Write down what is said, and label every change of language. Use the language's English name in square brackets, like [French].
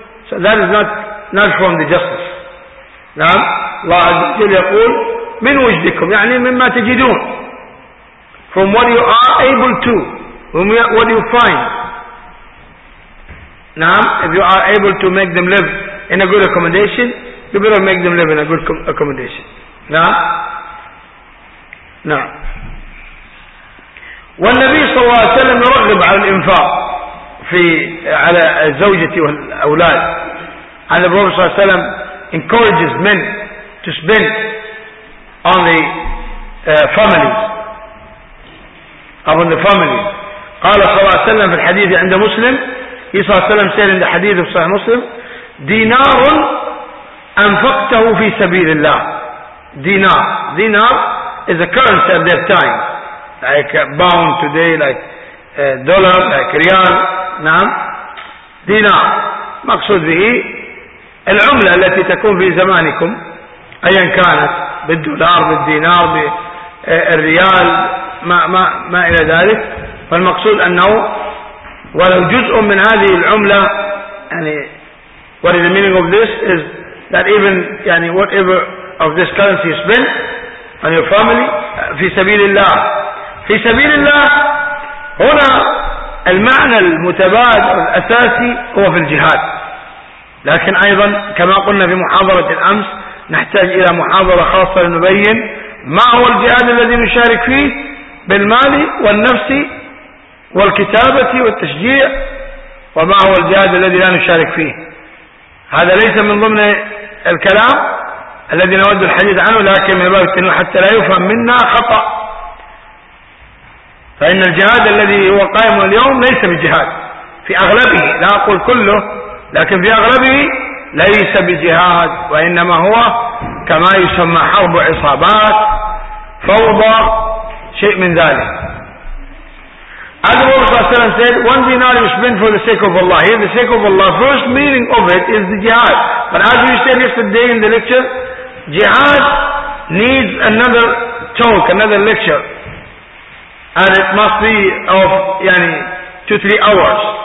[English] So that is not from the justice. [Arabic] نعم الله عز وجل يقول من وجدكم يعني مما تجدون, [English] from what you are able to, from what you find. نعم if you are able to make them live in a good accommodation, you better make them live in a good accommodation. [Arabic] نعم نعم. والنبي صلى الله عليه وسلم يرغب على الإنفاق في على الزوجة والأولاد. [English] And the Prophet صلى الله عليه وسلم encourages men to spend on the families, upon the families. [Arabic] قال صلى الله عليه وسلم في الحديث عند مسلم, he صلى الله عليه وسلم [English] said in the hadith of [Arabic] صحيح مسلم, دينار أنفقته في سبيل الله. [English] دينار, دينار is a currency at that time, like a pound today, like a dollar, like riyal. [Arabic] نعم دينار مقصود به العملة التي تكون في زمانكم أيا كانت, بالدولار بالدينار الريال ما ما ما إلى ذلك. فالمقصود أنه ولو جزء من هذه العملة يعني [English] what is the meaning of this is that even يعني whatever of this currency spent on your family [Arabic] في سبيل الله في سبيل الله. هنا المعنى المتبادل الأساسي هو في الجهاد، لكن أيضا كما قلنا في محاضرة الأمس نحتاج إلى محاضرة خاصة لنبين ما هو الجهاد الذي نشارك فيه بالمال والنفس والكتابة والتشجيع، وما هو الجهاد الذي لا نشارك فيه. هذا ليس من ضمن الكلام الذي نود الحديث عنه، لكن من باب التنويه حتى لا يفهم منا خطأ. فإن الجهاد الذي هو قائم اليوم ليس بجهاد في أغلبه، لا أقول كله، لكن في أغلبه ليس بجهاد، وإنما هو كما يسمى حرب عصابات، فوضى، شيء من ذلك. [English] Adam Rasulullah said, one dinar you spend for the sake of Allah. Here, the sake of Allah, first meaning of it is the jihad. But as we said yesterday in the lecture, jihad needs another talk, another lecture. And it must be of, yani, 2-3 hours.